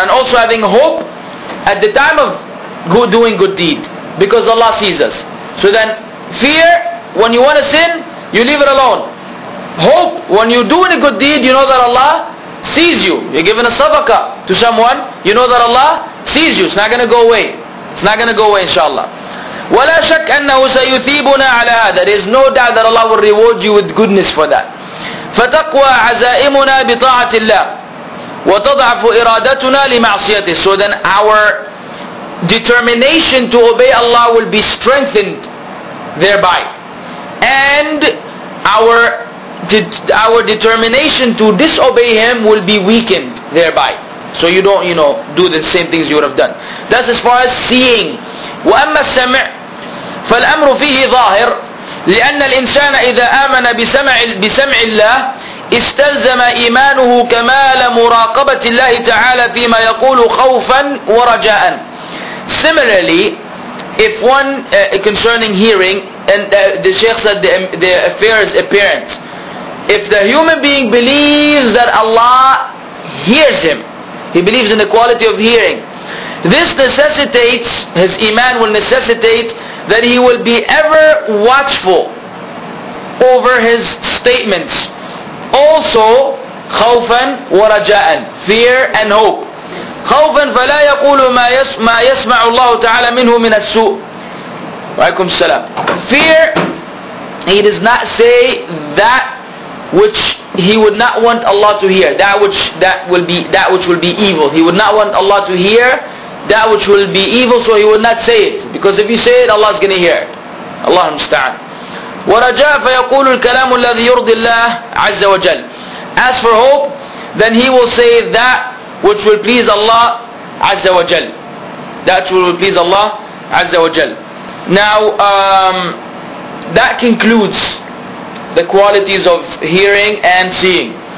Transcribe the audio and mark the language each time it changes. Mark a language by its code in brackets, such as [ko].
[en] And also having hope at the time of doing good deed, because Allah sees us. So then fear, when you want to sin, you leave it alone. Hope, when you're doing a good deed, you know that Allah sees you. You're giving a sadaqah to someone, you know that Allah sees you. It's not going to go away. It's not going to go away, inshallah. [ar] ولا شك أنه سيثيبنا على هذا. [en] There is no doubt that Allah will reward you with goodness for that. [ar] فتقوى عزائمنا بطاعة الله وتضعف إرادتنا لمعصيته. [en] So then our determination to obey Allah will be strengthened thereby, and our determination to disobey Him will be weakened thereby. So you don't, you know, do the same things you would have done. That's as far as seeing. [ar] وَأَمَّا السَّمْعُ فَالْأَمْرُ فِيهِ ظَاهِرٌ لِأَنَّ الْإِنسَانَ إِذَا آمَنَ بِسَمْعِ اللَّهِ اسْتَلْزَمَ إِيمَانُهُ كَمَالَ مُرَاقَبَةِ اللَّهِ تَعَالَى فِيمَا يَقُولُ خَوْفًا وَرَجَاءً. [en] Similarly, if one concerning hearing, and the Shaykh said the affair is apparent, if the human being believes that Allah hears him, he believes in the quality of hearing, this necessitates, his iman will necessitate that he will be ever watchful over his statements. Also, [ar] خوفاً ورجاءً, [en] fear and hope. [ar] خوفاً فلا يقول ما يسمع الله تعالى منه من السوء. وعليكم السلام. [en] Fear, he does not say that which he would not want Allah to hear. That which will be evil. He would not want Allah to hear that which will be evil, so he would not say it. Because if you say it, Allah is going to hear it. Allah musta'an. [ar] ورجاء فيقول الكلام الذي يرضي الله عز وجل. [en] As for hope, then he will say that which will please Allah Azza wa Jal. That which will please Allah Azza wa Jal. Now, that concludes the qualities of hearing and seeing.